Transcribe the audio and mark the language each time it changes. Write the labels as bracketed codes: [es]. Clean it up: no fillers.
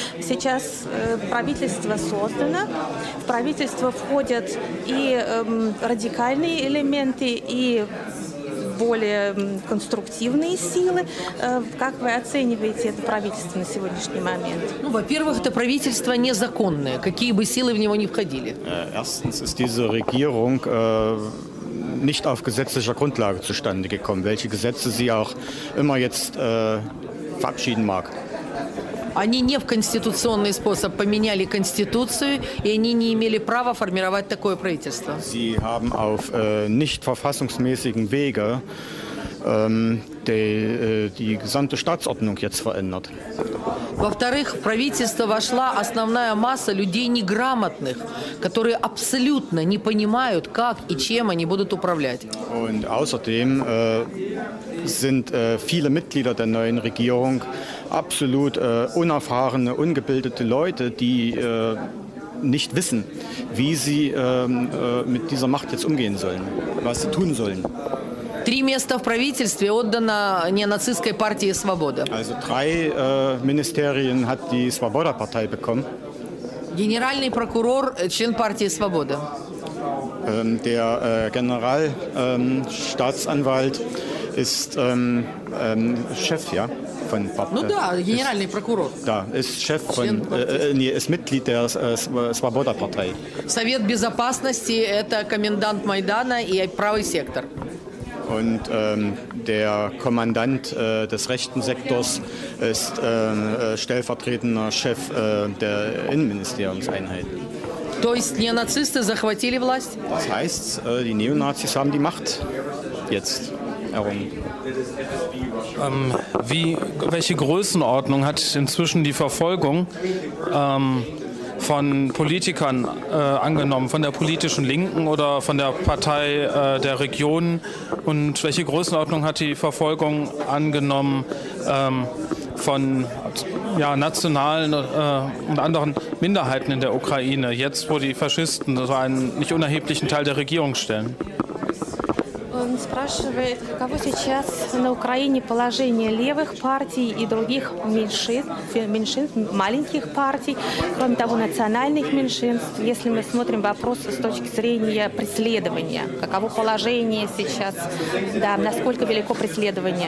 [ru] Сейчас правительство создано, в правительство входят и радикальные элементы, и более конструктивные силы. Как вы оцениваете это правительство на сегодняшний момент? Ну, во-первых, это правительство незаконное, какие бы силы в него ни входили. [de] Erstens ist diese Regierung nicht auf gesetzlicher Grundlage zustande gekommen, welche Gesetze sie auch immer jetzt verabschieden mag. [ru] Они не в конституционный способ поменяли конституцию, и они не имели права формировать такое правительство. [de] Sie haben auf nicht verfassungsmäßigen Wege die gesamte Staatsordnung jetzt verändert. [ru] Во-вторых, в правительство вошла основная масса людей неграмотных, которые абсолютно не понимают, как и чем они будут управлять. [de] Und außerdem sind viele Mitglieder der neuen Regierung absolut unerfahrene, ungebildete Leute, die nicht wissen, wie sie mit dieser Macht jetzt umgehen sollen, was sie tun sollen. [ru] Три места в правительстве отдано неонацистской партии «Свобода». [de] Also drei Ministerien hat die Svoboda-Partei bekommen. [ru] Генеральный прокурор, член партии «Свобода». [de] Der Generalstaatsanwalt ist Chef, ja, von Partei. [ru] Ну да, генеральный прокурор. [de] Да, ist Chef von, ist Mitglied der Svoboda-Partei. [ru] Совет безопасности – это комендант Майдана и правый сектор. [de] Und der Kommandant des rechten Sektors ist stellvertretender Chef der Innenministeriumseinheit. [ru] То есть неонацисты захватили власть? [de] Das heißt, die Neonazis haben die Macht jetzt errungen. Welche Größenordnung hat inzwischen die Verfolgung von Politikern angenommen, von der politischen Linken oder von der Partei der Region? Und welche Größenordnung hat die Verfolgung angenommen von ja, nationalen und anderen Minderheiten in der Ukraine, jetzt wo die Faschisten so einen nicht unerheblichen Teil der Regierung stellen? [ru] Он спрашивает, каково сейчас на Украине положение левых партий и других меньшинств, маленьких партий, кроме того, национальных меньшинств, если мы смотрим вопрос с точки зрения преследования. Каково положение сейчас, да, насколько велико преследование?